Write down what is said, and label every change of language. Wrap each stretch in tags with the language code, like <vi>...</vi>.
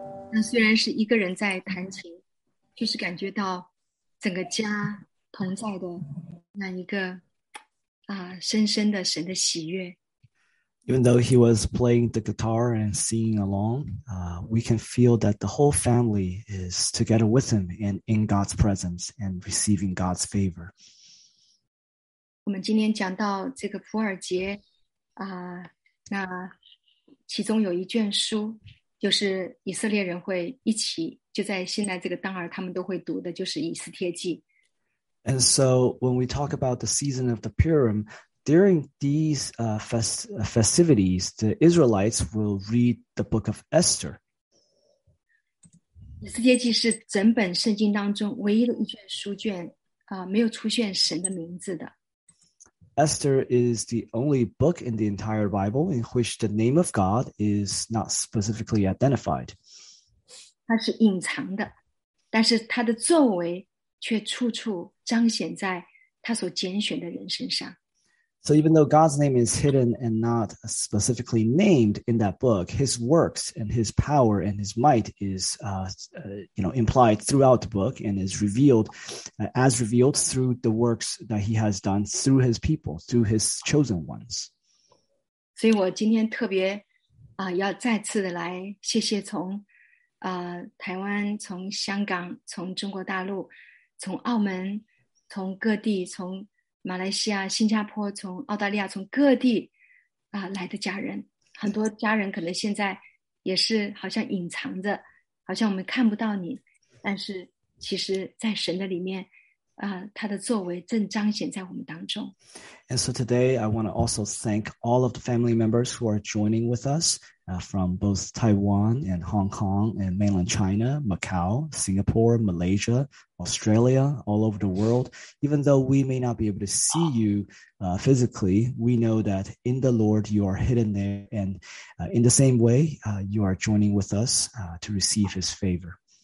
<zh>那虽然是一个人在弹琴，就是感觉到整个家同在的那一个啊，深深的神的喜悦。</zh> <en>Even though he was playing the guitar and singing along, we can feel that the whole family is together with him and in God's presence and receiving God's favor.</en> <zh>我们今天讲到这个普尔节、那其中有一卷书就是以色列人会一起就在现在这个当儿他们都会读的就是以斯帖记</zh> <en>And so when we talk about the season of the Purim during these festivities the Israelites will read the book of Esther</en> <zh>以斯帖记是整本圣经当中唯一的一卷书卷、没有出现神的名字的</zh> <en>Esther is the only book in the entire Bible in which the name of God is not specifically identified.</en> <zh>它是隐藏的，但是它的作为却处处彰显在他所拣选的人身上。</zh> <en>So even though God's name is hidden and not specifically named in that book, his works and his power and his might is implied throughout the book and is revealed as revealed through the works that he has done through his people, through his chosen ones.</en> <zh>所以我今天特别、要再次的来谢谢从、台湾、从香港、从中国大陆、从澳门、从各地、从马来西亚、新加坡、从澳大利亚、从各地、来的家人、很多家人可能现在也是好像隐藏着，好像我们看不到你，但是其实在神的里面他的作为正彰显在我们当中。</zh> <en>And so today I want to also thank all of the family members who are joining with us from both Taiwan and Hong Kong and mainland China, Macau, Singapore, Malaysia, Australia, all over the world. Even though we may not be able to see you physically, we know that in the Lord you are hidden there, and in the same way you are joining with us to receive his favor.</en>